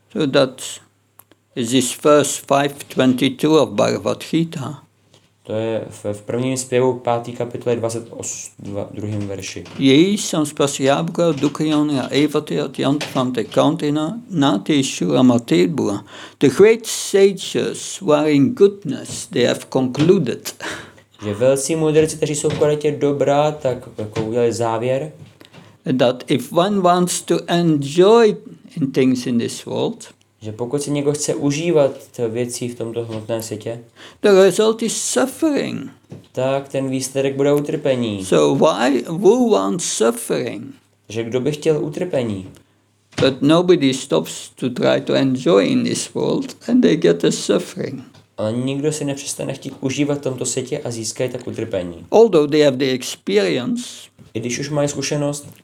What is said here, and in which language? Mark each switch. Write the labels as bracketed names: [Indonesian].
[English] So that is this verse 5:22 of Bhagavad Gita. [Czech] To je v prvním zpěvu 5. kapitole 22. verši. Její jsem spasí jábka, dukajon a evaty a tjant vám te kantina na tý šura matýrbu. [English] The great sages were in goodness, they have concluded. [Czech] Že velcí mudrci, kteří jsou v kvalitě dobrá, tak jako udělali závěr. [English] That if one wants to enjoy in things in this world, [Czech] že pokud se někdo chce užívat věcí v tomto hmotném světě, [English] the result is suffering. [Czech] Tak ten výsledek bude utrpení. [English] So why who wants suffering? [Czech] Že kdo by chtěl utrpení? [English] But nobody stops to try to enjoy in this world and they get the suffering. [Czech] Ale nikdo si nepřestane chtít užívat v tomto světě a získají tak utrpení. [English] Although they have the experience, [Czech] i když už mají zkušenost,